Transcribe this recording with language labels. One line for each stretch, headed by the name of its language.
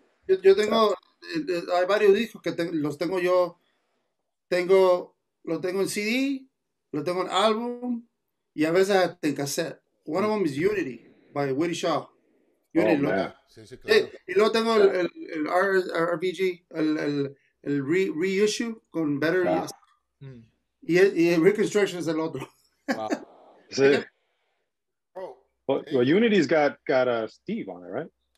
Spanish: Yo tengo, hay varios discos que los tengo yo. Lo tengo en CD, lo tengo en álbum, y a veces en cassette.
English: One of them is Unity by Woody Shaw. Unity, oh, man. Sí,
Spanish: claro. Y luego tengo el RPG, el reissue con Better. Yeah. Y el Reconstruction es el otro. Wow. Sí.
English: Well, Unity's got a Steve on it, right?